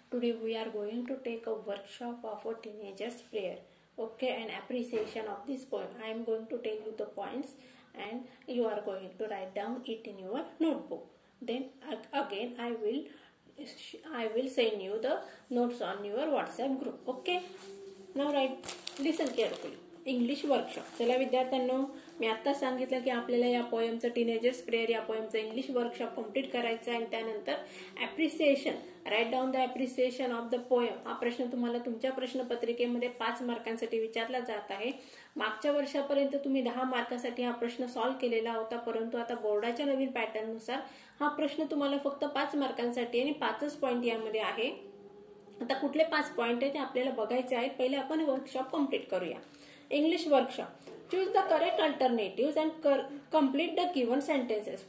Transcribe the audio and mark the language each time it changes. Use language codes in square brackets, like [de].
[en] Today we are going to take a workshop of a teenager's prayer, okay, and appreciation of this poem. I am going to tell you the points and you are going to write down it in your notebook. Then again, I will send you the notes on your WhatsApp group, okay? Now write, listen carefully. English workshop. [mr] चला विद्यार्थ्यांनो, मी आता सांगितलं की आपल्याला या पोयमचं teenagers prayer या पोयमचं English workshop complete करायचं आहे. त्यानंतर [en] Appreciation, write down the appreciation of the poem. [mr] हा प्रश्न तुम्हाला तुमच्या प्रश्नपत्रिकेमध्ये 5 मार्कांसाठी विचारला जात आहे. मागच्या वर्षापर्यंत तुम्ही 10 मार्कासाठी हा प्रश्न सॉल्व्ह केलेला होता, परंतु आता बोर्डाच्या नवीन पॅटर्ननुसार हा प्रश्न तुम्हाला फक्त 5 मार्कांसाठी आणि 5च पॉईंट यामध्ये आहे. आता कुठले 5 पॉईंट आहे ते आपल्याला बघायचे आहेत. पहिले आपण वर्कशॉप कम्प्लीट करूया. [en] English workshop. Choose the correct alternatives and complete the given sentences.